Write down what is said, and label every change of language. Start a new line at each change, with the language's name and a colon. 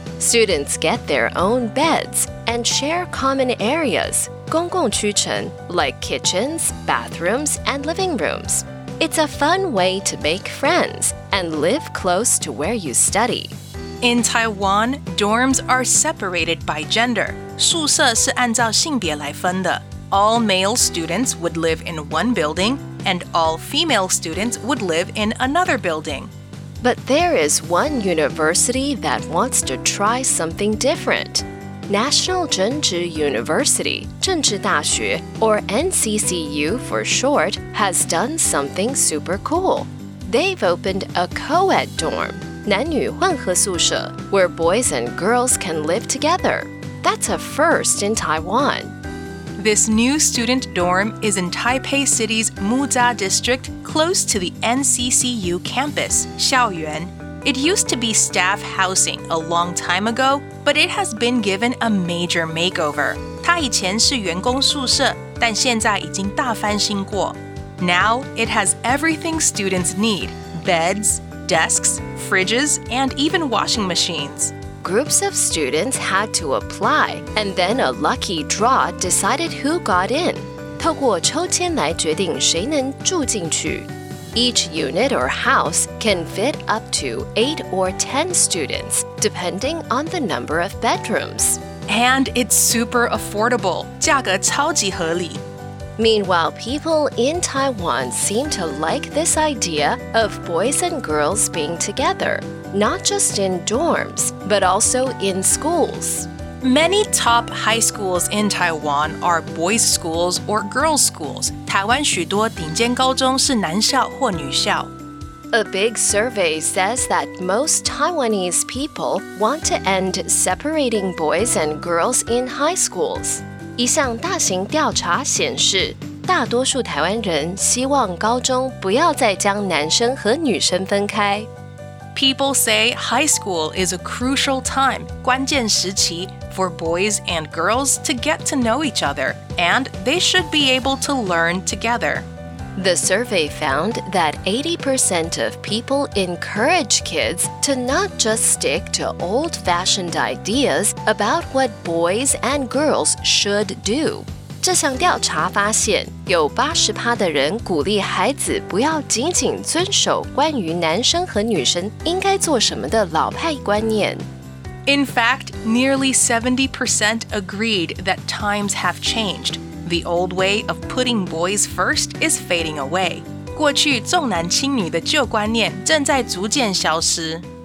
English: Students get their own beds and share common areas,
Chinese: 公共區域,
English: like kitchens, bathrooms, and living rooms. It's a fun way to make friends and live close to where you study. In Taiwan, dorms are separated by gender.
Chinese: 宿舍是按照性别来分的。
English: All male students would live in one building, and all female students would live in another building. But there is one university that wants to try something different. National Cheng-chi University, 政治大學, or NCCU for short, has done something super cool. They've opened a co-ed dorm.
Chinese: 男女混合宿舍,
English: where boys and girls can live together. That's a first in Taiwan. This new student dorm is in Taipei City's Muzha district, close to the NCCU campus,
Chinese: 校园.
English: It used to be staff housing a long time ago, but it has been given a major makeover.
Chinese: 它以前是员工宿舍, 但现在已经大翻新过.
English: Now, it has everything students need, beds,desks, fridges, and even washing machines. Groups of students had to apply, and then a lucky draw decided who got in.
Chinese: 透過抽籤來決定誰能住進去.
English: Each unit or house can fit up to 8 or 10 students, depending on the number of bedrooms. And it's super affordable.
Chinese: 價格超級合理。
English: Meanwhile, people in Taiwan seem to like this idea of boys and girls being together, not just in dorms, but also in schools. Many top high schools in Taiwan are boys' schools or girls' schools.
Chinese: 台灣許多頂尖高中是男校或女校。
English: A big survey says that most Taiwanese people want to end separating boys and girls in high schools.
Chinese: 一项大型调查显示，大多数台湾人希望高中不要再将男生和女生分开。
English: People say high school is a crucial time,
Chinese: 关键时期,
English: for boys and girls to get to know each other, and they should be able to learn together. The survey found that 80% of people encourage kids to not just stick to old-fashioned ideas about what boys and girls should do.
Chinese: 这项调查发现，有 80% 的人鼓励孩子不要仅仅遵守关于男生和女生应该做什么的老派观念。
English: In fact, nearly 70% agreed that times have changed. The old way of putting boys first is fading away.
Chinese: 过去重男轻女的旧观念正在逐渐消失。